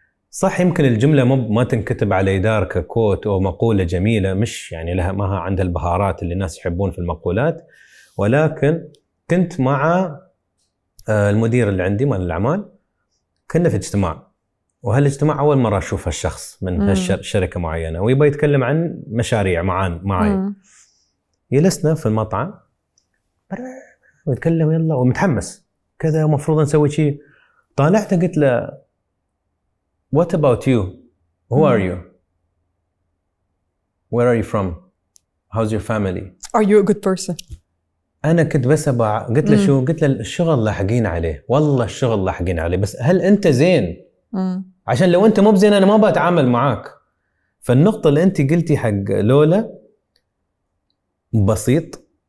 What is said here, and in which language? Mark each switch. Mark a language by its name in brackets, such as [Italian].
[Arabic] صح يمكن الجمله ما تنكتب على ادارك كوت او مقوله جميله مش يعني لها ماها عندها البهارات اللي الناس يحبون في المقولات ولكن كنت مع المدير اللي عندي مال الاعمال كنا في اجتماع وهالاجتماع اول مره اشوف هالشخص من هالشركه معينه ويبي يتكلم عن مشاريع معي جلسنا في المطعم ويتكلم يلا ومتحمس كذا مفروض نسوي شيء طالعته قلت له [English] What about you? Who are you? Where are you from? How's your family? Are you a good person? [Arabic] أنا كنت بس قلت له شو؟ قلت له الشغل لاحقين عليه، والله الشغل لاحقين عليه، بس هل أنت زين؟ عشان لو أنت مو بزين أنا ما بتعامل معاك. فالنقطة اللي أنت قلتي حق لولا بسيط